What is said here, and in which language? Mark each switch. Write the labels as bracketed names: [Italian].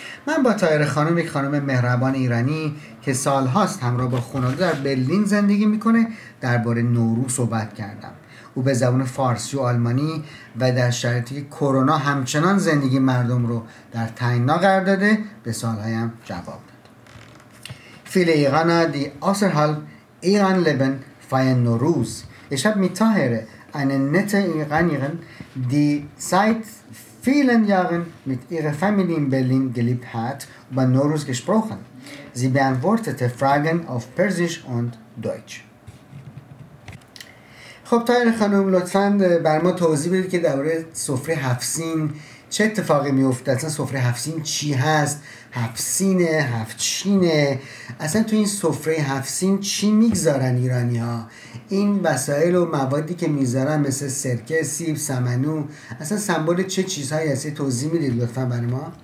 [Persian] من با طاهره خانم، یک خانم مهربان ایرانی که سالهاست همراه با خانواده در برلین زندگی میکنه، درباره نوروز صحبت کردم. او به زبان فارسی و آلمانی و در شرایطی که کرونا همچنان زندگی مردم رو در تنگنا قرار داده به سوالهایم جواب داد. [German] فیل ایرانا دی آسر حال Iran leben feiern Nowruz. Ich habe mit Taher eine nette Iranerin, die seit vielen Jahren mit ihrer Familie in Berlin gelebt hat, über Nowruz gesprochen. Sie beantwortete Fragen auf Persisch und Deutsch. [Persian] خب طاهره خانم، لطفاً بر ما توضیح بدید که درباره سفره هفت سین چه اتفاقی میفته؟ اصلا سفره هفت سین چی هست؟ هفت سینه؟ هفت چینه؟ اصلا تو این سفره هفت سین چی میگذارن ایرانی ها؟ این وسایل و موادی که میذارن مثل سرکه، سیب، سمنو، اصلا سمبل چه چیزهایی هست؟ توضیح میدید لطفا برای ما؟